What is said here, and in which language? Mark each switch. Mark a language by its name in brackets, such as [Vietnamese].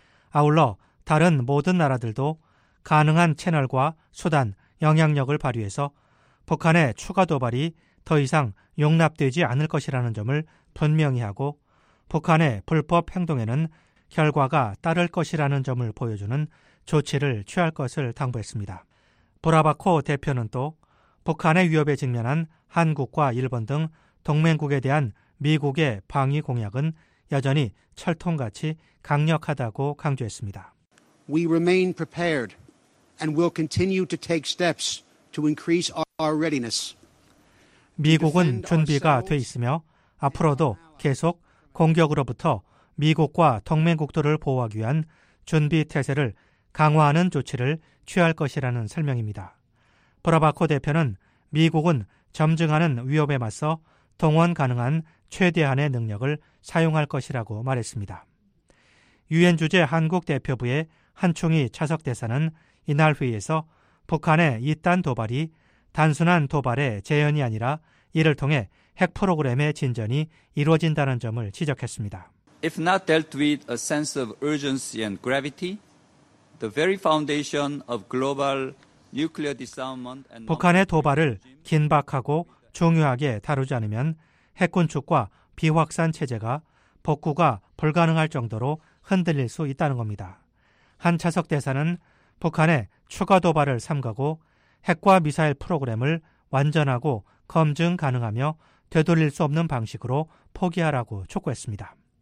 [Korean] 아울러 다른 모든 나라들도 가능한 채널과 수단, 영향력을 발휘해서 북한의 추가 도발이 더 이상 용납되지 않을 것이라는 점을 분명히 하고 북한의 불법 행동에는 결과가 따를 것이라는 점을 보여주는 조치를 취할 것을 당부했습니다. 보라바코 대표는 또 북한의 위협에 직면한 한국과 일본 등 동맹국에 대한 미국의 방위 공약은 여전히 철통같이 강력하다고 강조했습니다. [English] We remain prepared and will continue to take steps to increase our readiness. [Korean] 미국은 준비가 돼 있으며 앞으로도 계속 공격으로부터 미국과 동맹국들을 보호하기 위한 준비 태세를 강화하는 조치를 취할 것이라는 설명입니다. 브라바코 대표는 미국은 점증하는 위협에 맞서 동원 가능한 최대한의 능력을 사용할 것이라고 말했습니다. 유엔 주재 한국 대표부의 한충희 차석 대사는 이날 회의에서 북한의 잇단 도발이 단순한 도발의 재현이 아니라 이를 통해 핵 프로그램의 진전이 이루어진다는 점을 지적했습니다. [English] If not dealt with a sense of urgency and gravity, the very foundation of global nuclear disarmament and [Korean] 북한의 도발을 긴박하고 중요하게 다루지 않으면 핵 군축과 비확산 체제가 복구가 불가능할 정도로 흔들릴 수 있다는 겁니다. 한 차석 대사는 북한의 추가 도발을 삼가고 핵과 미사일 프로그램을 완전하고 검증 가능하며 되돌릴 수 없는 방식으로 포기하라고 촉구했습니다.